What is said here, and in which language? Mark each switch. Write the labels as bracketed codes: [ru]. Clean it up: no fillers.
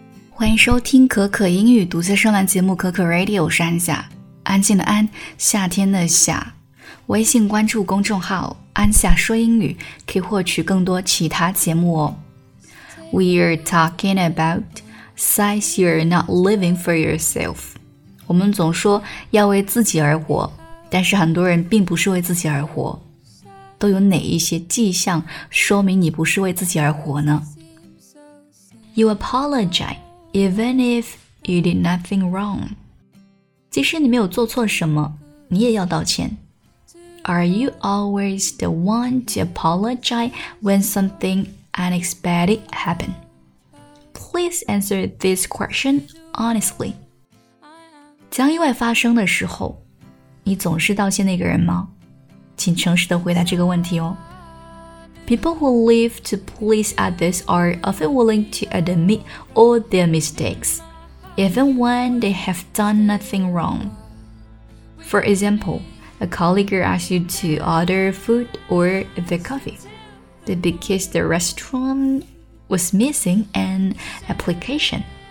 [zh] 欢迎收听可可英语独自上栏节目可可 Radio， 我是安夏，安静的安，夏天的夏。微信关注公众号安夏说英语，可以获取更多其他节目哦。 [en] We're talking about since you're not living for yourself. [zh] 我们总说要为自己而活，但是很多人并不是为自己而活。都有哪一些迹象说明你不是为自己而活呢？ [en] You apologize even if you did nothing wrong. [zh] 即使你没有做错什么，你也要道歉。 [en] Are you always the one to apologize when something unexpected happens? Please answer this question honestly. [zh] 将意外发生的时候，你总是道歉那个人吗？请诚实地回答这个问题哦。 [en] People who live to please others are often willing to admit all their mistakes, even when they have done nothing wrong. For example, a colleague asks you to order food or the coffee, because the restaurant was missing an application.